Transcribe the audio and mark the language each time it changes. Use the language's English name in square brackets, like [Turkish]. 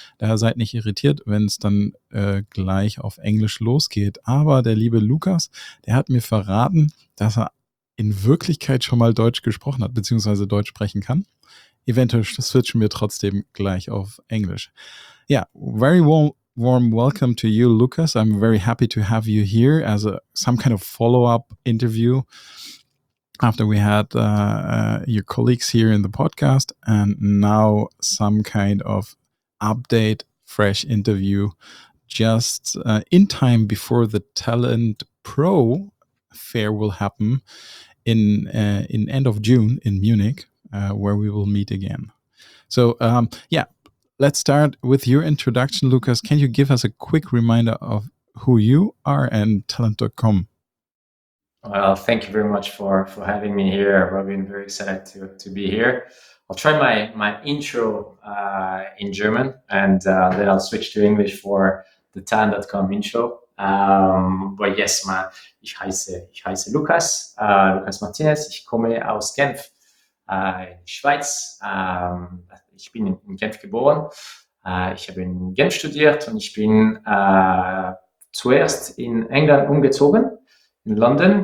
[German] Daher seid nicht irritiert, wenn es dann gleich auf Englisch losgeht. Aber der liebe Lukas, der hat mir verraten, dass er in Wirklichkeit schon mal Deutsch gesprochen hat, beziehungsweise Deutsch sprechen kann. Eventuell switchen wir trotzdem gleich auf Englisch. [English] Ja, very warm welcome to you, Lukas. I'm very happy to have you here as some kind of follow-up interview after we had your colleagues here in the podcast, and now some kind of update, fresh interview just in time before the Talent Pro Fair will happen in end of June in Munich, where we will meet again. So, let's start with your introduction, Lukas. Can you give us a quick reminder of who you are and Talent.com? Well, thank you very much for having me here, Robin. Very excited to be here. I'll try my intro in German, and then I'll switch to English for the Talent.com intro. But yes, [German] ich heiße Lukas, Lukas Martinez. Ich komme aus Genf. Schweiz. Ich bin in Genf geboren. Ich habe in Genf studiert und ich bin zuerst in England umgezogen, in London.